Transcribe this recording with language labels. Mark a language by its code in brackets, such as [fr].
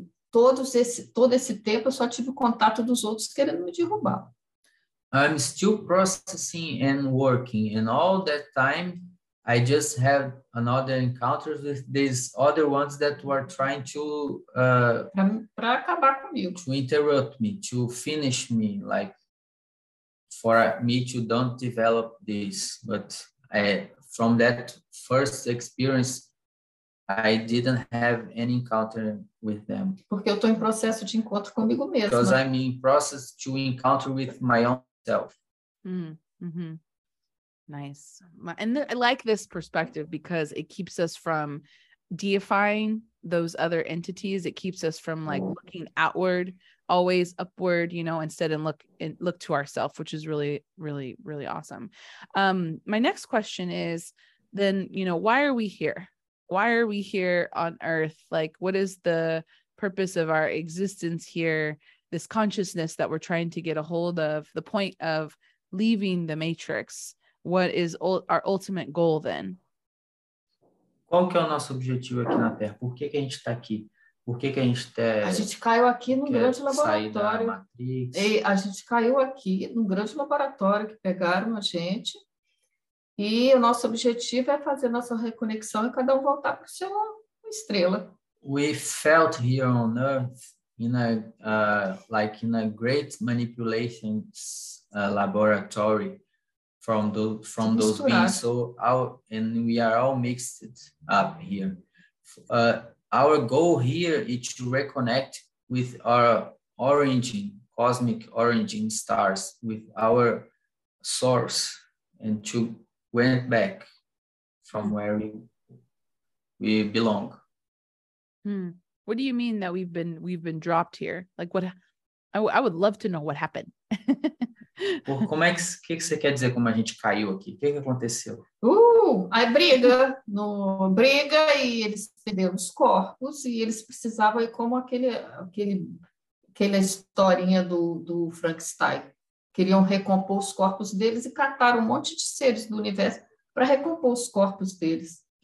[pt] Todo esse tempo eu só tive contato dos outros querendo me derrubar. [en] I'm still processing and working, and all that time I just had another encounter with these other ones that were trying to [pt] para acabar comigo, [en] to interrupt me, to finish me, like for me to don't develop this. But from that first experience, I didn't have any encounter with them. [pt] Porque eu estou em processo de encontro comigo mesma. [en] Because I'm in process to encounter with my own self. Mm-hmm. Nice. I like this perspective because it keeps us from deifying those other entities. It keeps us from like looking outward, always upward, you know, instead and look to ourself, which is really, really, really awesome. My next question is then, you know, why are we here? Why are we here on Earth? Like, what is the purpose of our existence here? This consciousness that we're trying to get a hold of, the point of leaving the matrix. What is our ultimate goal then? [pt] Qual que é o nosso objetivo aqui na Terra? Por que que a gente está aqui? Por que que a gente tá... A gente caiu aqui num grande laboratório. A gente caiu aqui num grande laboratório que pegaram a gente. E o nosso objetivo é fazer nossa reconexão e cada um voltar para sua estrela. [en] We felt here on Earth in a like in a great manipulation laboratory from those beings. So and we are all mixed up here. Our goal here is to reconnect with our origin, cosmic origin stars, with our source, and to went back from where we belong. What do you mean that we've been dropped here? Like what? I would love to know what happened. [pt] Como é que você quer dizer como a gente caiu aqui? O que aconteceu? A briga. No briga e eles perderam os corpos e eles precisavam ir como aquela historinha do Frankenstein. Queriam recompor os corpos deles e cataram um monte de seres do universo para recompor os corpos deles.